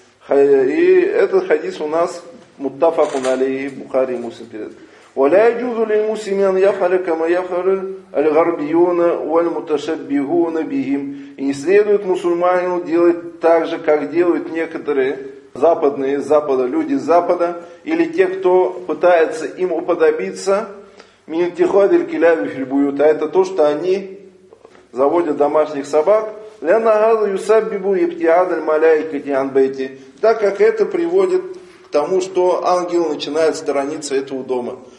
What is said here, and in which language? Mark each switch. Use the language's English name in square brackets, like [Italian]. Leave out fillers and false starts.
[Russian] И этот хадис у нас муттафакун алейхи, Бухари и Муслим передают. [Arabic] ولا يجوز للمسلم أن يفعل كما يفعل الغربيون والمتشبهون بهم. [Russian] И не следует мусульманину делать так же, как делают некоторые западные, запада, люди запада, или те, кто пытается им уподобиться, [Arabic] мин тихадил киляби фил буют, [Russian] а это то, что они заводят домашних собак, [Arabic] ляна гаду юсаббибу ибтиадаль малайкати ан байти, [Russian] так как это приводит к тому, что ангел начинает сторониться этого дома.